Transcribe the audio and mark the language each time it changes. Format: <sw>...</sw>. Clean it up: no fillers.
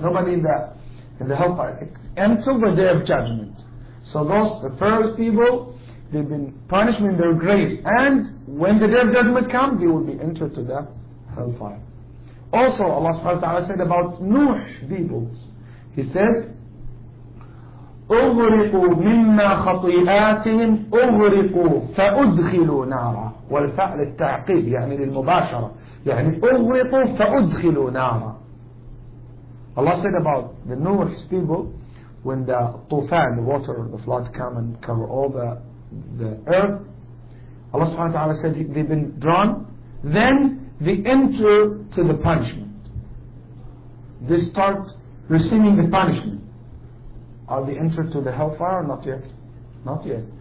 <en>Nobody in the hellfire. Until the day of judgment. So those, the first people, they've been punished in their graves. And when the day of judgment comes, they will be entered to the hellfire. Also, Allah subhanahu wa ta'ala said about Nuh people. He said,</en> <ar>أغرقوا مما خطيئاتهم أغرقوا فأدخلوا نارا والفعل التعقيب يعني للمباشرة يعني أغرقوا فأدخلوا نارا.</ar> <en>Allah said about the Nuh's people, when the طوفان, the water, the flood come and cover all the earth, Allah subhanahu wa ta'ala said they've been drawn, then they enter to the punishment. They start receiving the punishment. Are they entered to the hellfire or not yet? Not yet.</en>